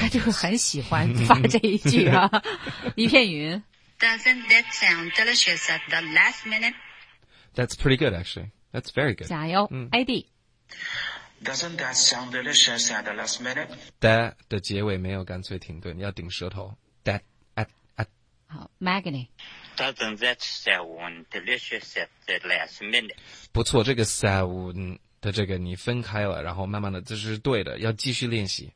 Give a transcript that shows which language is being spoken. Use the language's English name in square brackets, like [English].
[Chinese] 他就很喜欢发这一句啊一片云。 [English] Doesn't that sound delicious at the last minute? That's pretty good, actually. That's very good. [Chinese] 加油、,AD。 [English] Doesn't that sound delicious at the last minute? [Chinese] That 的结尾没有干脆停顿，要顶舌头。That at at. 好 ，Maggie. [English] Doesn't that sound delicious at the last minute? [Chinese] 不错，这个 sound 的这个你分开了，然后慢慢的这是对的，要继续练习。